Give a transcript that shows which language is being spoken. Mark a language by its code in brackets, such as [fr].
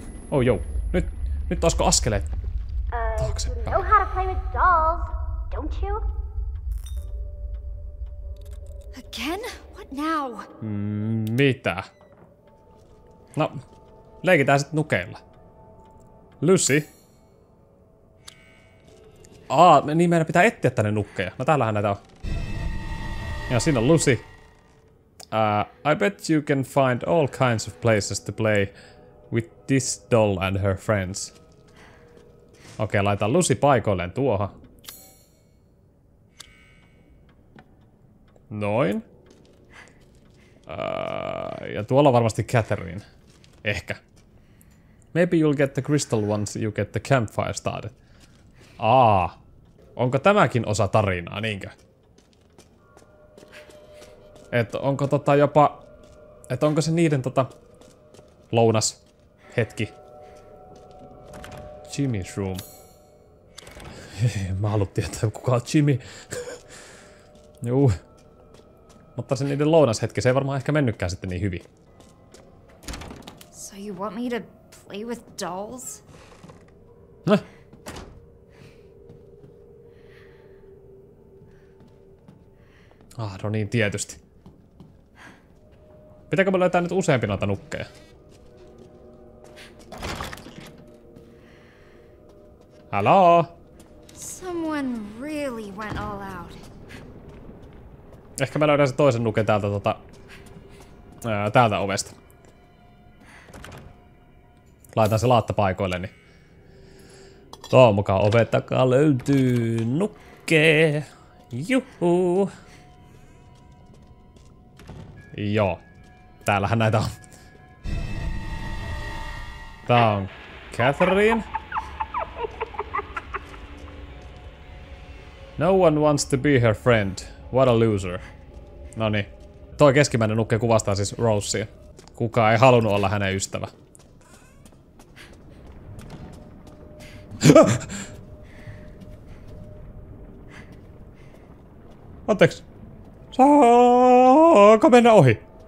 [fi] Oh joo. Nyt olisiko askeleet taaksepäin. [en] You know how to play with dolls, don't you? Again? What now? [fi] Mitä? No, leikitään sit nukeilla. Lucy? Aa, niin meidän pitää etsiä tänne nukkeja. No täällähän näitä on. Ja siinä on Lucy. [en] I bet you can find all kinds of places to play with this doll and her friends. [fi] Okei, laitan Lucy paikoilleen tuohon. Noin. Ja tuolla varmasti Catherine. Ehkä. [en] Maybe you'll get the crystal once you get the campfire started. Aa. [fi] Onko tämäkin osa tarinaa, niinkö? Että onko tota jopa... Että onko se niiden tota... Lounas. Hetki. Jimmy's room. Mä haluun tietää, kuka on Jimmy. Juu. Mutta se niiden lounashetki, se ei varmaan ehkä mennykään sitten niin hyvin. [en] So you want me to play with dolls? [fi] Ah, no niin, tietysti. Pitääkö me löytää nyt useampi noita nukkeja? [en] Hello? Someone really went all out. [fi] Ehkä mä löydän sen toisen nuken täältä tota... täältä ovesta. Laitan se laatta paikoille, niin... Tuo mukaan oven takaa löytyy nukke! Juhuu! Joo. Täällähän näitä on. Tää on Catherine. [en] No one wants to be her friend. What a loser. [fi] Noni, toi keskimmäinen nukke kuvastaa siis Rosea. Kukaan ei halunnut olla hänen ystävä. Anteeksi. Saako mennä ohi?